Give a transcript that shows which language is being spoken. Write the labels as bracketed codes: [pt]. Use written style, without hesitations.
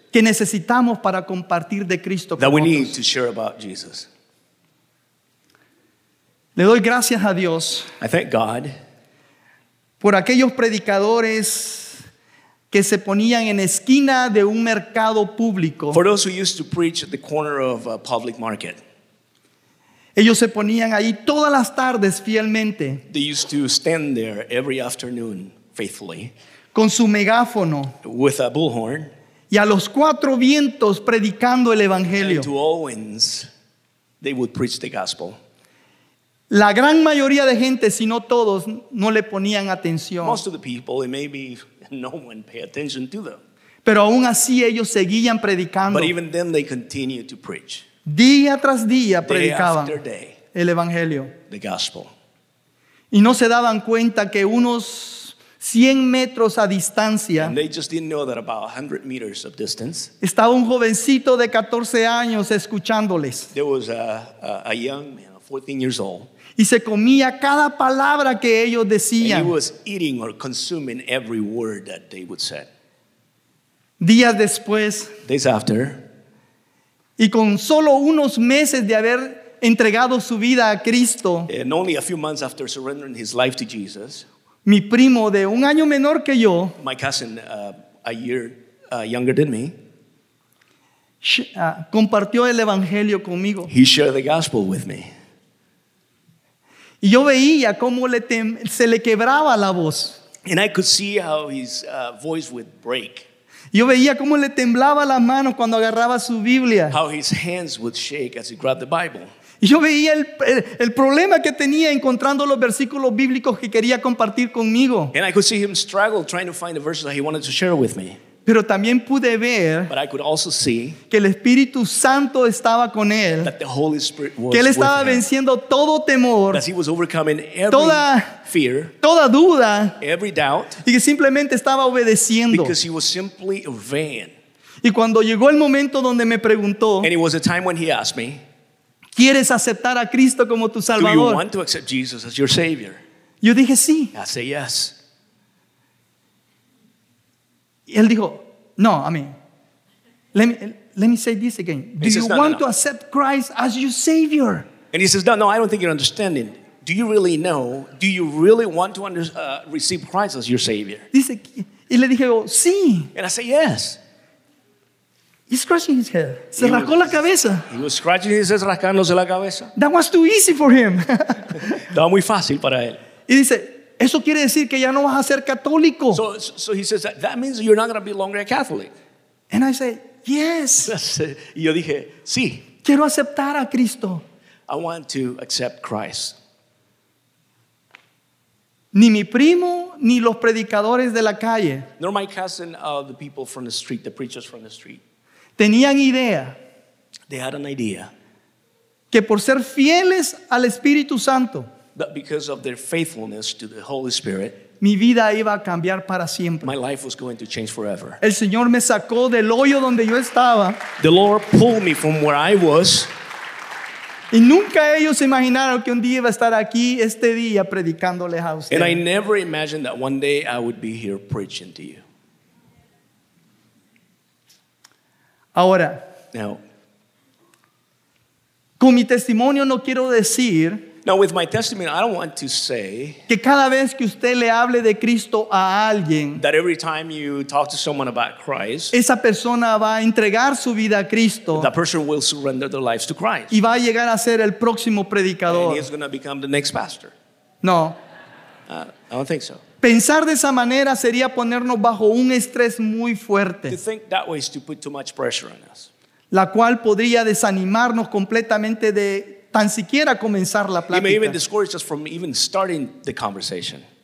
[es] que necesitamos para compartir de Cristo con otros. [en] That we need to share about Jesus. [es] Le doy gracias a Dios. [en] I thank God [es] por aquellos predicadores que se ponían en esquina de un mercado público. [en] For those who used to preach at the corner of a public market. [es] Ellos se ponían ahí todas las tardes fielmente. [en] They used to stand there every afternoon faithfully. [es] Con su megáfono. [en] With a bullhorn. [es] Y a los cuatro vientos predicando el evangelio. [en] And to all winds, they would preach the gospel. [es] La gran mayoría de gente, si no todos, no le ponían atención. [en] Most of the people, and maybe no one paid attention to them. [es] Pero aún así ellos seguían predicando. [en] But even then they continued to preach. [es] Día tras día predicaban [en] day after day, [es] el evangelio. [en] The gospel. [es] Y no se daban cuenta que unos 100 metros a distancia, [en] and they just didn't know that about 100 meters of distance, [es] estaba un jovencito de 14 años escuchándoles. [en] There was a young man, 14 years old, [es] y se comía cada palabra que ellos decían. [en] He was eating or consuming every word that they would say. [es] Días después, [en] days after, [es] y con solo unos meses de haber entregado su vida a Cristo, [en] and only a few months after surrendering his life to Jesus, [es] mi primo de un año menor que yo, [en] my cousin, a year younger than me, [es] compartió el evangelio conmigo. [en] He shared the gospel with me. [es] Y yo veía cómo se le quebraba la voz. [en] And I could see how his voice would break. [es] Yo veía cómo le temblaba la mano cuando agarraba su Biblia. [en] How his hands would shake as he grabbed the Bible. [es] Y yo veía el problema que tenía encontrando los versículos bíblicos que quería compartir conmigo. [en] And I could see him struggle trying to find the verses that he wanted to share with me. [es] Pero también pude ver, [en] but I could also see, [es] que el Espíritu Santo estaba con él, [en] that the Holy Spirit was, [es] que él estaba venciendo [en] him, [es] todo temor, [en] that he was overcoming every [es] toda, [en] fear, [es] toda duda, [en] every doubt, [es] y que simplemente estaba obedeciendo. [en] Because he was simply obeying. [es] Y cuando llegó el momento donde me preguntó, [en] and it was a time when he asked me, [es] ¿quieres aceptar a Cristo como tu Salvador? [en] Do you want to accept Jesus as your Savior? [es] Yo dije sí. [en] I said yes. [es] Él dijo, [en] no, I mean, let me say this again. Do says, you no, want no, no. to accept Christ as your Savior? And he says, no, I don't think you're understanding. Do you really know? Do you really want to receive Christ as your Savior? [es] Dice, y le dije, oh, sí. [en] And I say, yes. He's scratching his head. [es] Se he rascó was, la cabeza. [en] He was scratching his head, [es] rascándose la cabeza. [en] That was too easy for him. [es] Estaba muy fácil para él. Y dice, eso quiere decir que ya no vas a ser católico. [en] So he says that means you're not going to be longer a Catholic. And I say, yes. [es] Y yo dije, sí. Quiero aceptar a Cristo. [en] I want to accept Christ. [es] Ni mi primo ni los predicadores de la calle. [en] Nor my cousin, the people from the street, the preachers from the street. [es] Tenían idea. [en] They had an idea. [es] Que por ser fieles al Espíritu Santo, [en] that because of their faithfulness to the Holy Spirit, [es] mi vida iba a cambiar para siempre. [en] My life was going to change forever. [es] El Señor me sacó del hoyo donde yo estaba. [en] The Lord pulled me from where I was. [es] Y nunca ellos se imaginaron que un día iba a estar aquí este día predicándoles a ustedes. [en] And I never imagined that one day I would be here preaching to you. [es] Ahora, [en] now, [es] con mi testimonio no quiero decir. [en] Now with my testimony, I don't want to say [es] que cada vez que usted le hable de Cristo a alguien, [en] that every time you talk to someone about Christ, [es] esa persona va a entregar su vida a Cristo, [en] that person will surrender their lives to Christ, [es] y va a llegar a ser el próximo predicador. [en] And he is going to become the next pastor. [es] No. [en] I don't think so. [es] Pensar de esa manera sería ponernos bajo un estrés muy fuerte. [en] To think that way is to put too much pressure on us. [es] La cual podría desanimarnos completamente de tan siquiera comenzar la plática. [en] It may even discourage us from even starting the conversation.